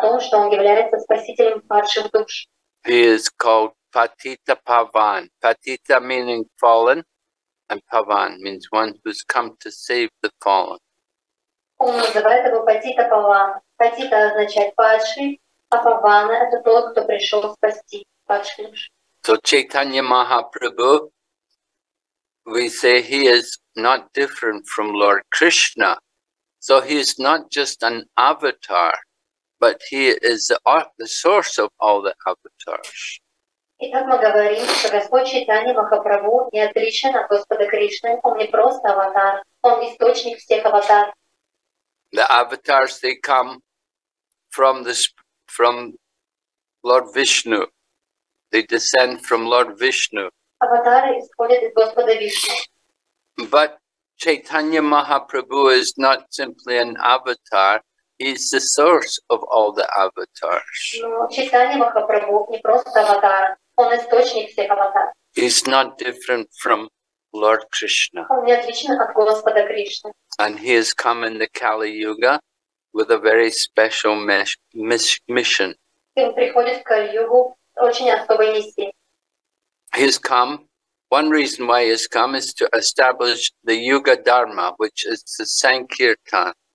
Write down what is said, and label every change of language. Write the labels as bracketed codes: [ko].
[en] He is called Patita Pavan. Patita meaning fallen, and Pavan means one who's come to save the fallen. [ru] Он называет его Патита Паван. Патита означает падший, а Павана – это тот, кто пришел спасти падших. [en] So Chaitanya Mahaprabhu, we say he is not different from Lord Krishna. So he is not just an avatar, but he is the source of all the avatars. [ru] Итак, мы говорим, что Господь Чайтанья Махапрабху не отличен от Господа Кришны. Он не просто аватар, он источник всех аватаров. [en] The avatars, they come from Lord Vishnu. They descend from Lord Vishnu. [ru] Аватары исходят из Господа Вишну. [en] But Chaitanya Mahaprabhu is not simply an avatar. He's the source of all the avatars. [ru] Чайтанья Махапрабху не просто аватар. Он источник всех аватаров. [en] He's not different from Lord Krishna. And he has come in the Kali Yuga with a very special mission. He has come, one reason why he has come is to establish the Yuga Dharma, which is the Sankirtan.